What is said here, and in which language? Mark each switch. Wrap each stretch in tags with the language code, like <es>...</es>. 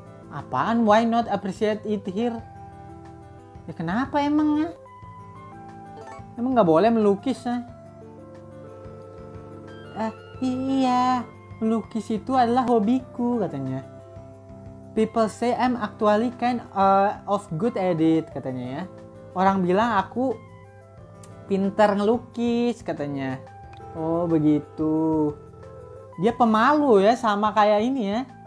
<en>Apaan, why not appreciate it here?</en> <id>Ya kenapa emangnya? Emang gak boleh melukis, ya? Iya, melukis itu adalah hobiku, katanya.</id> <en>People say I'm actually kind of good at it,</en> <id>katanya ya. Orang bilang aku pintar ngelukis, katanya. Oh, begitu. Dia pemalu ya, sama kayak ini ya.</id>